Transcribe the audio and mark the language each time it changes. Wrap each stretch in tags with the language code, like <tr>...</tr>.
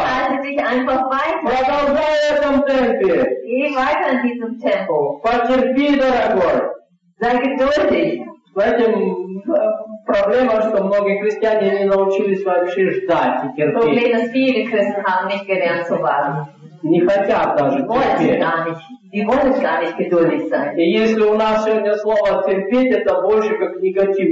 <de>Halte dich einfach weiter.</de> <ru>Продолжай в этом темпе.</ru> <de>Geh weiter in diesem Tempo.</de> <ru>Потерпи, дорогой.</ru> <de>Sei geduldig.</de> <ru>В этом проблема, что многие христиане не научились вообще ждать и терпеть.</ru> <de>Problem ist, viele Christen haben nicht gelernt zu warten.</de> <ru>Не хотят даже терпеть.</ru> <de>Die wollen gar nicht geduldig sein.</de> <ru>И если у нас сегодня слово терпеть, это больше как негатив.</ru>